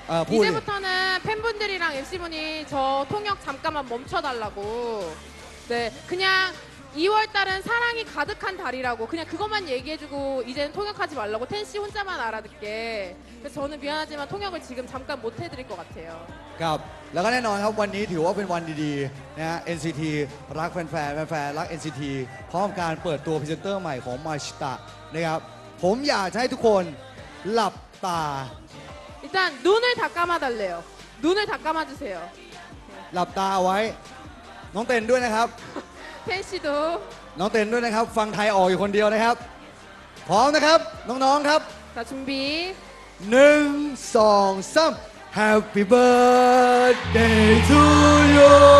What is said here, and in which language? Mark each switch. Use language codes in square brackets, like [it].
[ko] 이제부터는 팬분들이랑 MC분이 저 통역 잠깐만 멈춰달라고. 네, 그냥 2월달은 사랑이 가득한 달이라고 그냥 그것만 얘기해주고 이제는 통역하지 말라고 텐씨 혼자만 알아듣게. 그래서 저는 미안하지만 통역을 지금 잠깐 못 해드릴 것 같아요. 갑. [th] แล้วก็ แน่นอนครับวันนี้ถือว่าเป็นวันดีๆนะ NCT รักแฟนๆแฟนๆรัก NCT พร้อมการเปิดตัวพรีเซนเตอร์ใหม่ของ Mashita นะครับผมอยากให้ทุกคนหลับตา [ko] 일단 눈을 다 감아달래요. 눈을 다 감아주세요. [th] 랍다와이 น้องเต็นด้วยนะครับ เทนซี도 น้องเต็นด้วยนะครับ ฟังไทยออกอยู่คนเดียวนะครับ พร้อมนะครับ น้องๆครับ [ko] ตะ จุนบี [en] 1 2 3 Happy birthday to you.